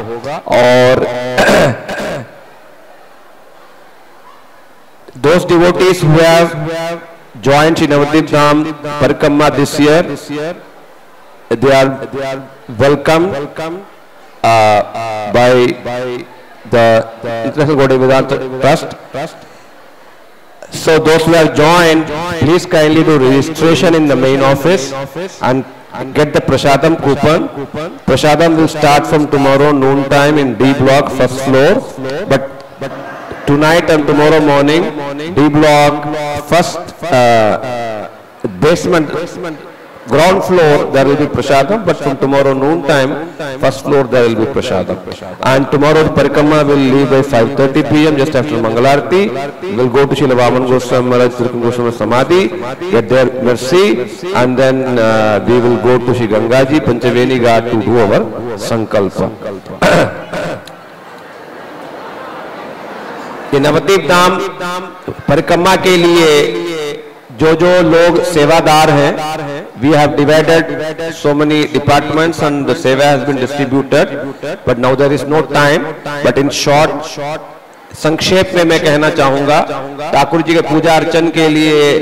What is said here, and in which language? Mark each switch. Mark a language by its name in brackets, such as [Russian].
[Hindi] और दोस्त [English] Devotees who have joined Shri Navadvip Dham parikrama this year they are Welcome by the International Gaudiya Vedanta Trust. So those who have joined, please kindly do registration in the main office and get the Prasadam coupon. Prasadam will start from tomorrow noon time in D block first floor. But tonight and tomorrow morning, D block first B basement, ground floor, there will be prasadam, but from tomorrow noon time, first floor, there will be prasadam. And tomorrow, Parikrama will leave by 5:30 p.m. just after Mangalarti. We'll go to Srila Vaman Goswami Maharaj, Srila Goswami Samadhi, get their mercy, and then we will go to Sri Gangaji, Panchaveni Ghat to do our Sankalpa. [Hindi] ये नवदीप धाम परिक्रमा के लिए जो जो लोग सेवादार हैं, [English] we have divided so many departments and the seva has been distributed but now there is no time but in short [Hindi] संक्षेप में मैं कहना चाहूंगा ठाकुर जी के पूजा अर्चन के लिए